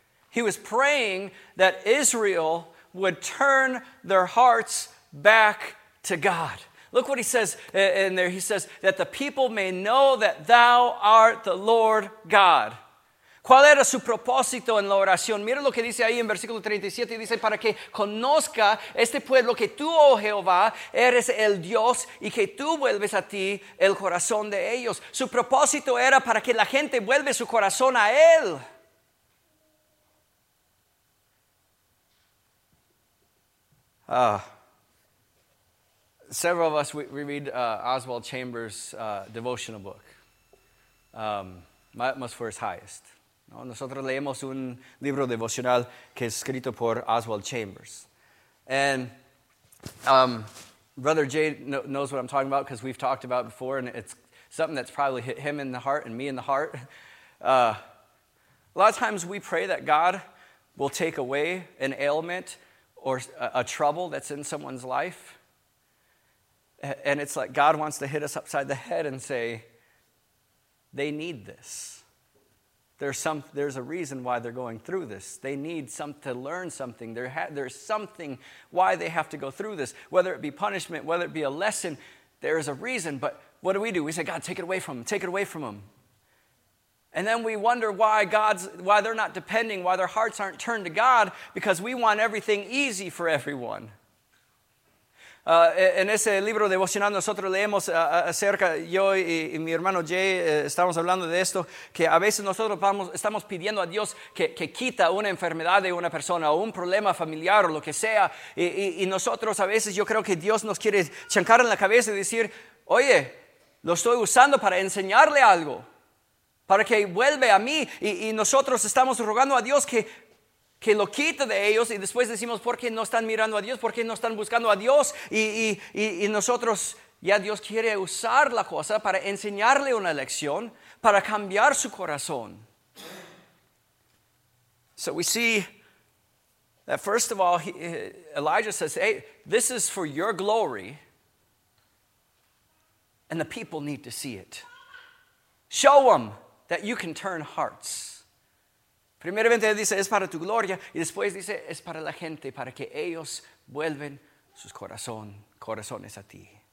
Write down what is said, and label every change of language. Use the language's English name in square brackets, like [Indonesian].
[English] He was praying that Israel would turn their hearts back to God. Look what he says in there. He says, that the people may know that thou art the Lord God. [Spanish] ¿Cuál era su propósito en la oración? Mira lo que dice ahí en versículo 37. Dice, para que conozca este pueblo que tú, oh Jehová, eres el Dios y que tú vuelves a ti el corazón de ellos. Su propósito era para que la gente vuelva su corazón a él. [English] Several of us, we read Oswald Chambers' devotional book. My Atmosphere's Highest. ¿No? [Spanish] Nosotros leemos un libro devocional que es escrito por Oswald Chambers. [English] And Brother Jay knows what I'm talking about because we've talked about it before, and it's something that's probably hit him in the heart and me in the heart. A lot of times we pray that God will take away an ailment or a trouble that's in someone's life, And it's like God wants to hit us upside the head and say, they need this. There's a reason why they're going through this. They need to learn something. There's something why they have to go through this, whether it be punishment, whether it be a lesson. There is a reason, but what do? We say, God, take it away from them. Take it away from them. And then we wonder why they're not depending, why their hearts aren't turned to God, because we want everything easy for everyone. [Spanish] En ese libro devocional nosotros leemos acerca, yo y mi hermano Jay estamos hablando de esto, que a veces nosotros estamos pidiendo a Dios que quita una enfermedad de una persona o un problema familiar o lo que sea, y nosotros a veces yo creo que Dios nos quiere chancar en la cabeza y decir, oye, lo estoy usando para enseñarle algo, para que vuelva a mí, y nosotros estamos rogando a Dios que lo quite de ellos, y después decimos, ¿por qué no están mirando a Dios? ¿Por qué no están buscando a Dios? Y nosotros, ya Dios quiere usar la cosa para enseñarle una lección, para cambiar su corazón. [English] So we see that first of all, Elijah says, hey, this is for your glory, and the people need to see it. Show them that you can turn hearts. [Spanish] Primeramente dice, es para tu gloria, y después dice, es para la gente, para que ellos vuelven sus corazones a ti.